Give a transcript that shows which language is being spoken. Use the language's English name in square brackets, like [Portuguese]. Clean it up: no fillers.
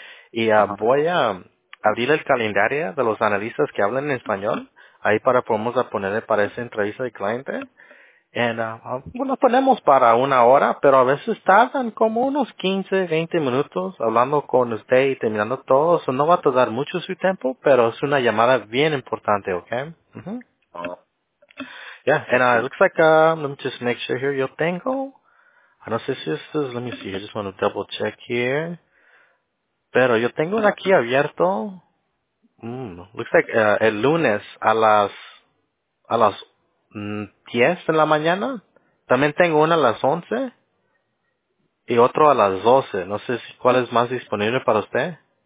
[Spanish] Y voy a abrir el calendario de los analistas que hablan en español, ahí para podemos ponerle para esa entrevista de cliente. Bueno, ponemos para 1 hora, pero a veces tardan como unos 15, 20 minutos hablando con usted y terminando todo. Eso no va a tardar mucho su tiempo, pero es una llamada bien importante, ¿ok? Uh-huh. Oh. [English] Yeah, and it looks like, let me just make sure here, [Spanish] yo tengo, [English] I don't know if this is, let me see, I just want to double check here. [Spanish] Pero yo tengo aquí abierto, [English] looks like [Spanish] el lunes a las 10 en la mañana. También tengo una a las 11 y otro a las 12. No sé si cuál es más disponible para usted.